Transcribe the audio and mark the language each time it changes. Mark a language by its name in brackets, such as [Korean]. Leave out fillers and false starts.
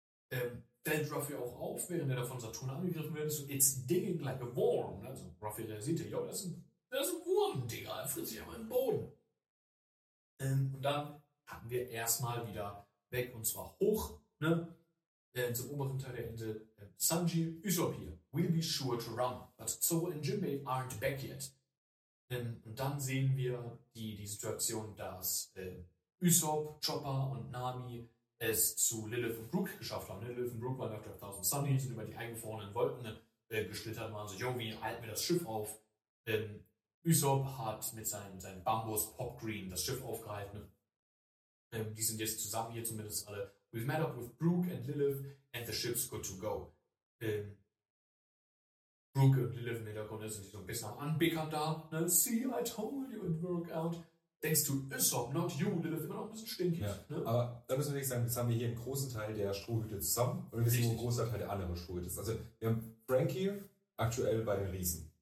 [German] Fällt Ruffy auch auf, während er von Saturn angegriffen wird, [English] so it's digging like a worm. [German] Ne? Also Ruffy realisiert ja, das ist ein Wurm, Digga, er frisst sich aber im Boden. Und dann hatten wir erstmal wieder weg, und zwar hoch, ne, zum oberen Teil der Insel. [English] Sanji, Usopp hier, we'll be sure to run, but Zoro and Jimbe aren't back yet. [German] Und dann sehen wir die Situation, dass Usopp, Chopper und Nami es zu Lilith und Brook geschafft haben. Lilith und Brook waren auf 1000 Sunny, sind über die eingefrorenen Wolken geschlittert und waren so, yo, wie halten wir das Schiff auf? Usopp hat mit seinem Bambus Pop Green das Schiff aufgehalten. Die sind jetzt zusammen hier zumindest alle. [English] We've met up with Brook and Lilith and the ship's good to go. [German] Brooke und Lilith im Hintergrund ist, und die so ein bisschen am Anbickern da. Ne? [English] See, I told you it worked out. [German] Denkst du, Usopp, [English] not you, [German] Lilith, immer noch ein bisschen stinkig. Ja, ne? Aber da müssen wir nicht sagen, jetzt haben wir hier einen großen Teil der Strohhüte zusammen und wir wissen, wo ein großer Teil der anderen Strohhüte ist. Also wir haben Frankie aktuell bei den Riesen.